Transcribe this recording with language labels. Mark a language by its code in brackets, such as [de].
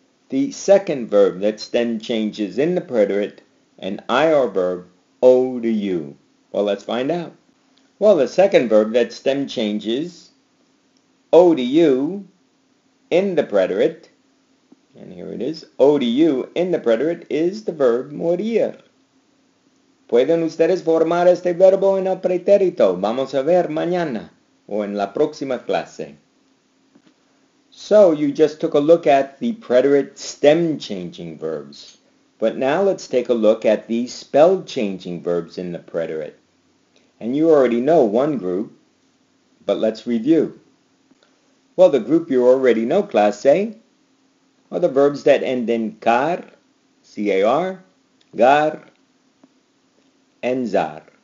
[en] the second verb that then changes in the preterite, an IR verb, O to you. Well, let's find out. Well, the second verb that stem changes, O to you, in the preterite, and here it is, O to you, in the preterite, is the verb morir. [es] ¿Pueden ustedes formar este verbo en el pretérito? Vamos a ver mañana, o en la próxima clase. [en] So, you just took a look at the preterite stem-changing verbs. But now let's take a look at the spell-changing verbs in the preterite. And you already know one group, but let's review. Well, the group you already know, class A, are the verbs that end in car, C-A-R, gar, and zar.